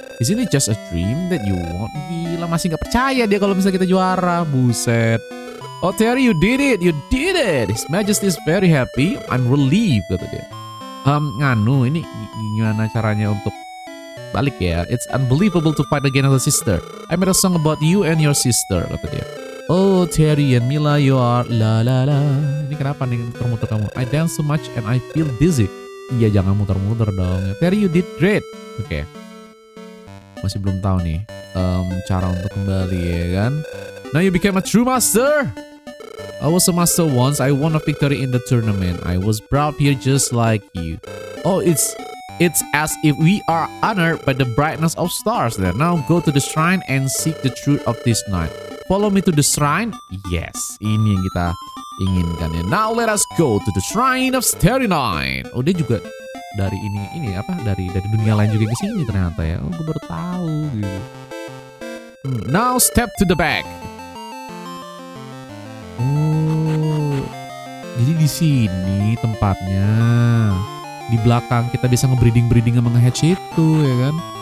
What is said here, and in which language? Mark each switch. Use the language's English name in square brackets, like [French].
[English] Isn't it just a dream that you won? [Indonesian] Gila, masih gak percaya dia kalau misalnya kita juara. [English] Buset. Oh, Terry, you did it. You did it. His Majesty is very happy. I'm relieved, [Indonesian] kata dia. Nganu, ini gimana caranya untuk balik ya? [English] It's unbelievable to fight again as a sister. I made a song about you and your sister, [Indonesian] kata dia. [English] Oh, Terry and Mila, you are la la [Indonesian] la. Ini kenapa nih muter-muter kamu? [English] I dance so much and I feel dizzy. [Indonesian] Iya, jangan muter-muter dong. [English] Terry, you did great. [Indonesian] Oke. Okay. Masih belum tahu nih cara untuk kembali ya kan? [English] Now you became a true master. I was a master once. I won a victory in the tournament. I was brought here just like you. Oh, it's as if we are honored by the brightness of stars. Then now go to the shrine and seek the truth of this night. Follow me to the shrine. [Indonesian] Yes, ini yang kita inginkan ya. [English] Now let us go to the shrine of Starry Night. [Indonesian] Oh, dia juga dari ini apa? Dari dunia lain juga ke sini ternyata ya. Oh, gue baru tahu. Gitu. [English] Now step to the back. [Indonesian] Oh, jadi di sini tempatnya, di belakang kita bisa nge-breeding-breeding sama nge-hatch itu ya kan.